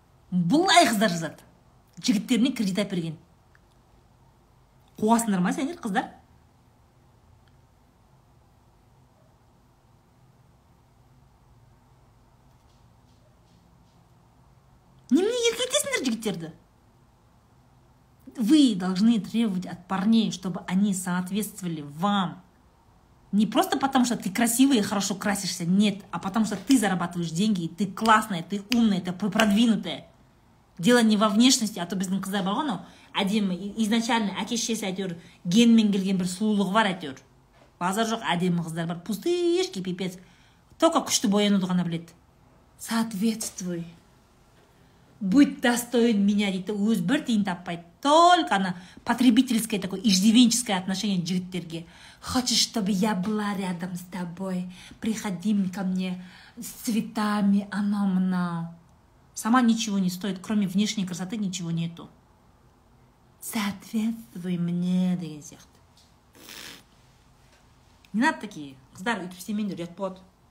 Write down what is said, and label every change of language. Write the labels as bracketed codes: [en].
[kk] Былай қыздар жазады, жігіттеріне кредит әперген. Қоғасындар ма сендер қыздар? Немене еркелетесіңдер жігіттерді? [ru] Вы должны требовать от парней, чтобы они соответствовали вам. Не просто потому, что ты красивый и хорошо красишься, нет, а потому, что ты зарабатываешь деньги, и ты классная, ты умная, ты продвинутая. Дело не во внешности, а то [kk] біздің қыздар бар ғой, әдемі, изначально әкешесі әйтеуір генмен келген бір сұлулығы бар әйтеуір. Базар жоқ, әдемі қыздар бар, [ru] пустышки, пипец. [kk] Только күшті боянуды ғана біледі. [ru] Соответствуй. Будь достоин меня, [kk] дейді, өз бір тиын таппайды. [ru] Только ана потребительское такое иждивенческое отношение жігіттерге. Хочешь, чтобы я была рядом с тобой? Приходи ко мне с цветами, оно мне. Сама ничего не стоит, кроме внешней красоты ничего нету. Соответствуй мне, [kk] деген сияқты. [ru] Не надо такие. [kk] Қыздар, өйтіп істемеңдер, ұят болады.